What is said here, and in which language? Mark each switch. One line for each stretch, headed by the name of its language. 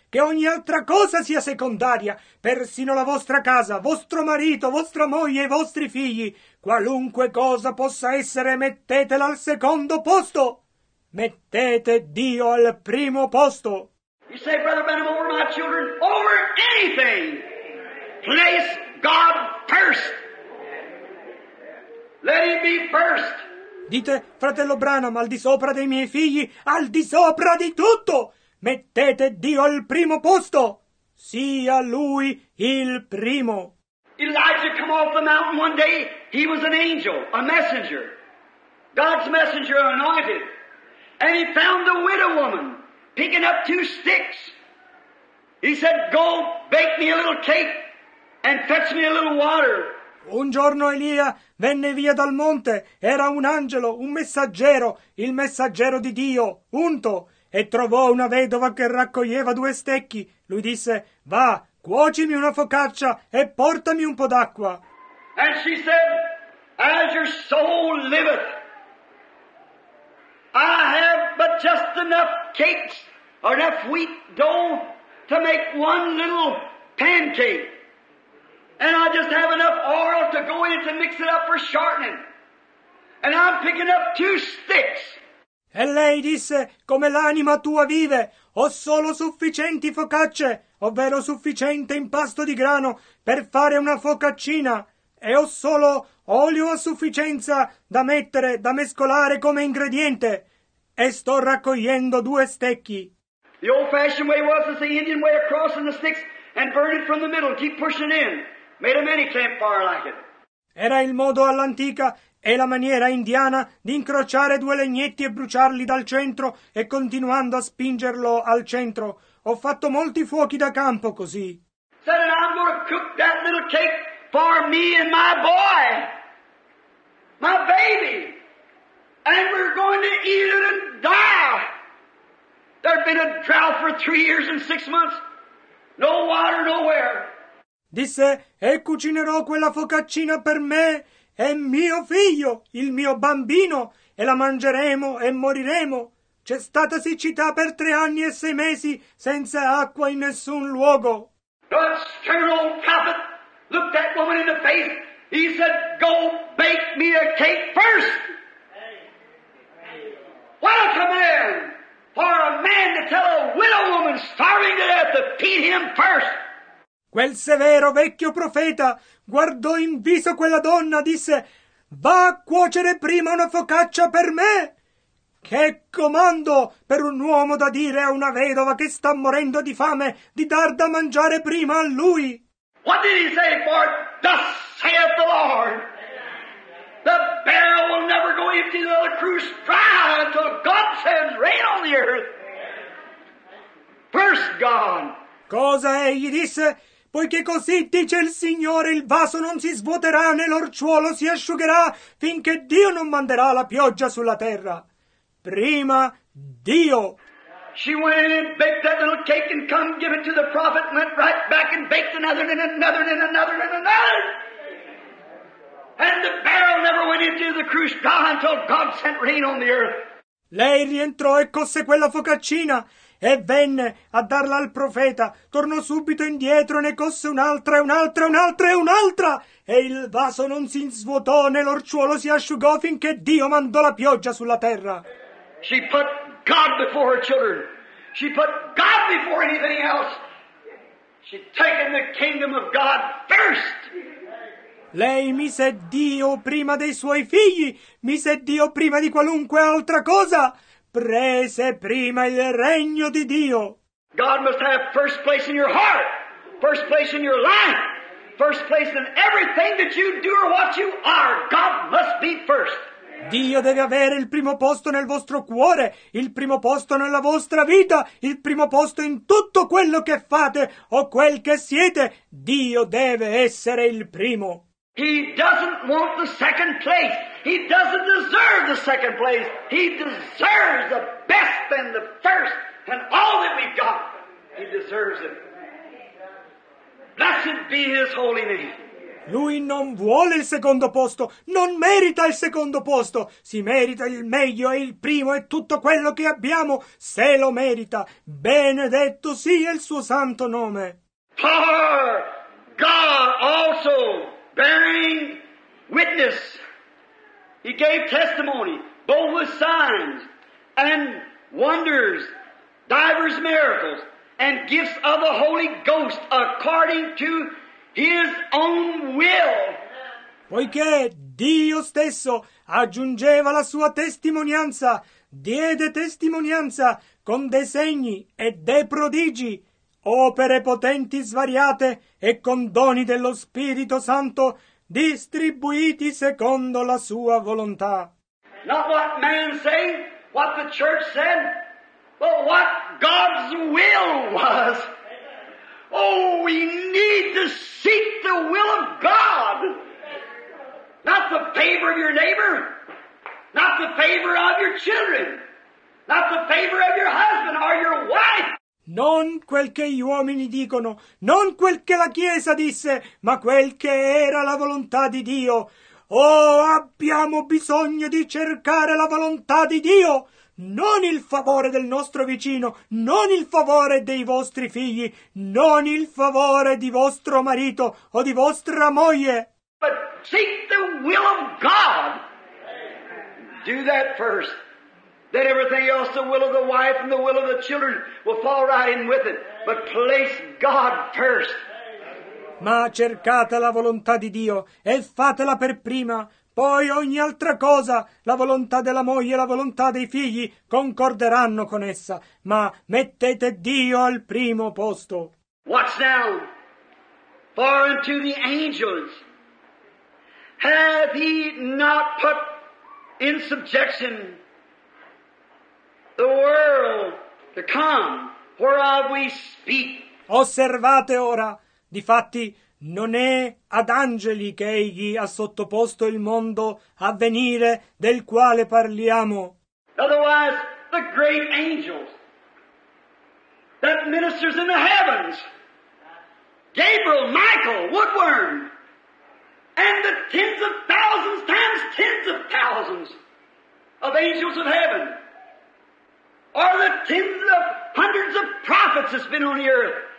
Italian: Che ogni altra cosa sia secondaria, persino la vostra casa, vostro marito, vostra moglie e i vostri figli. Qualunque cosa possa essere, mettetela al secondo posto. Mettete Dio al primo posto.
English: You say, Brother Benham, over my children, over anything. Place God first. Let him be first.
Italian: Dite, fratello Branham, al di sopra dei miei figli, al di sopra di tutto. Mettete Dio al primo posto, sia Lui il primo.
English: Elijah came off the mountain one day, he was an angel, a messenger, God's messenger anointed, and he found a widow woman picking up two sticks. He said, go bake me a little cake and fetch me a little water.
Italian: Un giorno Elia venne via dal monte, era un angelo, un messaggero, il messaggero di Dio, unto. E trovò una vedova che raccoglieva due stecchi. Lui disse, va, cuocimi una focaccia e portami un po' d'acqua.
English: And she said, as your soul liveth, I have but just enough cakes or enough wheat dough to make one little pancake. And I just have enough oil to go in to mix it up for shortening. And I'm picking up two sticks.
Italian: E lei disse, come l'anima tua vive, ho solo sufficienti focacce, ovvero sufficiente impasto di grano per fare una focaccina, e ho solo olio a sufficienza da mettere, da mescolare come ingrediente, e sto raccogliendo due stecchi.
English: The old fashioned way was the Indian way of crossing the sticks and burning from the middle, keep pushing in, made a many campfire like it.
Italian: Era il modo all'antica, è la maniera indiana di incrociare due legnetti e bruciarli dal centro e continuando a spingerlo al centro. Ho fatto molti fuochi da campo così.
English: Said, and I'm gonna cook that little cake for me and my boy, my baby, and we're going to eat it and die. There's been a drought for 3 years and 6 months, no water nowhere.
Italian: Disse, e cucinerò quella focaccina per me e mio figlio, il mio bambino, e la mangeremo e moriremo. C'è stata siccità per 3 anni e 6 mesi senza acqua in nessun luogo.
English: God's eternal prophet looked that woman in the face. He said, go bake me a cake first. What a command for a man to tell a widow woman starving to death to feed him first.
Italian: Quel severo vecchio profeta guardò in viso quella donna, disse, va a cuocere prima una focaccia per me. Che comando per un uomo da dire a una vedova che sta morendo di fame di dar da mangiare prima a lui.
English: What did he say, for thus saith the Lord, the barrel will never go empty till the cruse dry until God sends rain on the earth. First God.
Italian: Cosa egli disse? Poiché così dice il Signore, il vaso non si svuoterà né l'orciuolo si asciugherà finché Dio non manderà la pioggia sulla terra. Prima Dio.
English: She went and baked that little cake and come give it to the prophet and went right back and baked another and another and another and another. And the barrel never went into the cruse dry until God sent rain on the earth.
Italian: Lei rientrò e cosse quella focaccina. E venne a darla al profeta, tornò subito indietro, ne cosse un'altra, e un'altra, e un'altra, e un'altra! E il vaso non si svuotò, né l'orciuolo si asciugò, finché Dio mandò la pioggia sulla terra.
English: She put God before her children. She put God before anything else. She taken the kingdom of God first.
Italian: Lei mise Dio prima dei suoi figli, mise Dio prima di qualunque altra cosa. Prese prima il regno di Dio.
English: God must have first place in your heart, first place in your life, first place in everything that you do or what you are. God must be first.
Italian: Dio deve avere il primo posto nel vostro cuore, il primo posto nella vostra vita, il primo posto in tutto quello che fate o quel che siete. Dio deve essere il primo.
English: He doesn't want the second place. He doesn't deserve the second place. He deserves the best and the first and all that we've got. He deserves it. Blessed be his holy name.
Italian: Lui non vuole il secondo posto, non merita il secondo posto. Si merita il meglio e il primo e tutto quello che abbiamo, se lo merita. Benedetto sia il suo santo nome.
English: Power, God also bearing witness. He gave testimony, both with signs and wonders, divers miracles, and gifts of the Holy Ghost according to His own will.
Italian: Poiché Dio stesso aggiungeva la sua testimonianza, diede testimonianza con dei segni e dei prodigi, opere potenti svariate e con doni dello Spirito Santo distribuiti secondo la sua volontà.
English: Not what man said, what the church said, but what God's will was. Oh, we need to seek the will of God. Not the favor of your neighbor, not the favor of your children, not the favor of your husband or your wife.
Italian: Non quel che gli uomini dicono, non quel che la Chiesa disse, ma quel che era la volontà di Dio. Oh, abbiamo bisogno di cercare la volontà di Dio, non il favore del nostro vicino, non il favore dei vostri figli, non il favore di vostro marito o di vostra moglie.
English: But seek the will of God. Do that first. Then everything else, the will of the wife and the will of the children, will fall right in with it. But place God first.
Italian: Ma cercate la volontà di Dio e fatela per prima. Poi ogni altra cosa, la volontà della moglie e la volontà dei figli, concorderanno con essa. Ma mettete Dio al primo posto.
English: Watch now. For unto the angels hath he not put in subjection the world to come, whereof we speak.
Italian: Osservate ora, difatti, non è ad angeli che egli ha sottoposto il mondo a venire del quale parliamo.
English: Otherwise, the great angels that ministers in the heavens, Gabriel, Michael, Woodworm, and the tens of thousands times tens of thousands of angels of heaven, are the tens of hundreds of prophets that's been on the earth.